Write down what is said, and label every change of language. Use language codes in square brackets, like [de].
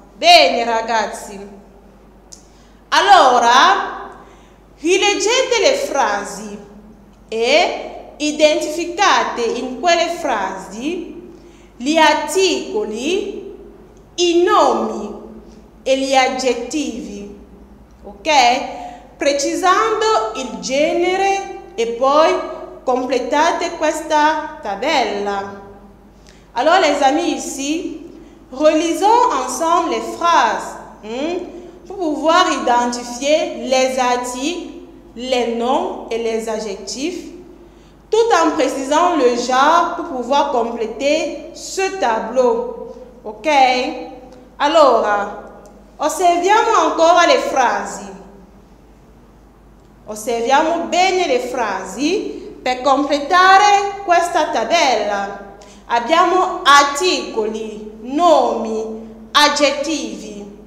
[it] Bene ragazzi, allora rileggete le frasi e identificate in quelle frasi gli articoli, i nomi e gli aggettivi, ok? Precisando il genere e poi completate questa tabella. [fr] Allora, les amis, relisons ensemble les phrases pour pouvoir identifier les articles, les noms et les adjectifs, tout en précisant le genre pour pouvoir compléter ce tableau. [it] Ok? Allora, osserviamo ancora le frasi. Osserviamo bene le frasi per completare questa tabella. Abbiamo articoli, nomi, aggettivi.